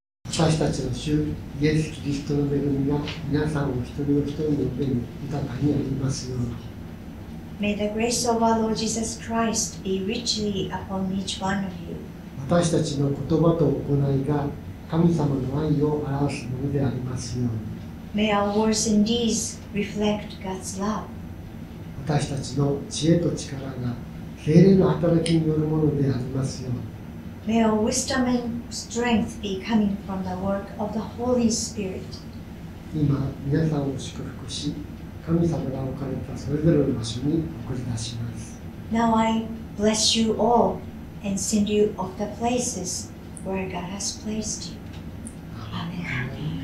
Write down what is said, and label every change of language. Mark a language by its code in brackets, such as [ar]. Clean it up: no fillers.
[ja] 私たちの主イエス・キリストの恵みが皆さんお一人お一人の上に豊かにありますように。 [en] May the grace of our Lord Jesus Christ be richly upon each one of you. [ja] 私たちの言葉と行いが神様の愛を表すものでありますように。 [en] May our words and deeds reflect God's love. [ja] 私たちの知恵と力が聖霊の働きによるものでありますように。 [en] May our wisdom and strength be coming from the work of the Holy Spirit. [ja] 今皆さんを祝福し、神様が置かれたそれぞれの場所に送り出します。 [en] Now I bless you all and send you off the places where God has placed you. Amen.